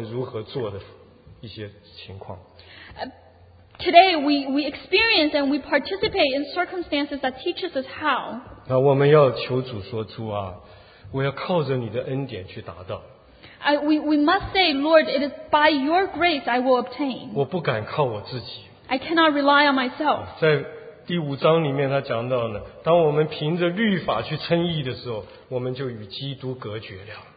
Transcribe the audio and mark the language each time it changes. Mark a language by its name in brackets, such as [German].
[Chinese] 今天我们可能也听见一些，我们也去参加一些教导我们如何做的一些情况。 [English] Today we experience and we participate in circumstances that teaches us how. [Chinese] 那我们要求主说，主啊，我要靠着你的恩典去达到。 [English] We must say, Lord, it is by your grace I will obtain. [Chinese] 我不敢靠我自己。 [English] I cannot rely on myself. [Chinese] 第五章里面他讲到呢，当我们凭着律法去称义的时候，我们就与基督隔绝了。